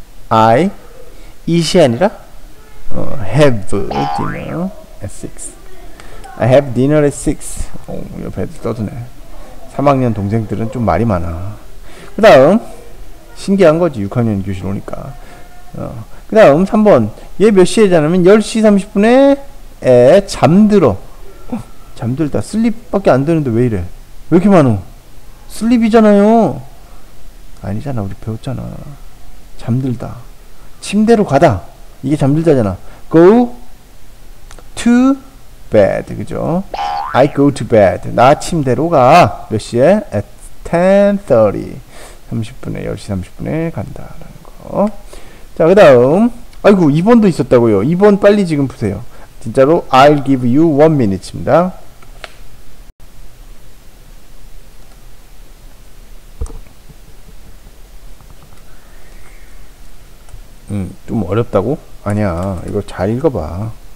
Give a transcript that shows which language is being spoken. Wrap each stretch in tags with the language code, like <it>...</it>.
<en>I eat이</en> <ko>아니라</ko> <en>have dinner at 6. I have dinner at 6.</en> <ko>오, 옆에 애들 떠드네. 3학년 동생들은 좀 말이 많아. 그 다음 신기한 거지 6학년 교실 오니까. 그 다음 3번 얘 몇 시에 자냐면 10시 30분에 에 잠들어. 잠들다 슬립밖에 안 되는데 왜 이래? 왜 이렇게 많어? 슬립이잖아요. 아니잖아 우리 배웠잖아. 잠들다 침대로 가다 이게 잠들다잖아.</ko> <en>Go to bed</en> <ko>그죠?</ko> <en>I go to bed.</en> <ko>나 침대로 가. 몇 시에?</ko> <en>At 10:30.</en> <ko>30분에, 10시 30분에 간다. 라는 거. 자, 그 다음. 아이고, 2번도 있었다고요. 2번 빨리 지금 푸세요. 진짜로,</ko> <en>I'll give you 1 minute입니다.</en> <ko>좀 어렵다고? 아니야. 이거 잘 읽어봐.</ko>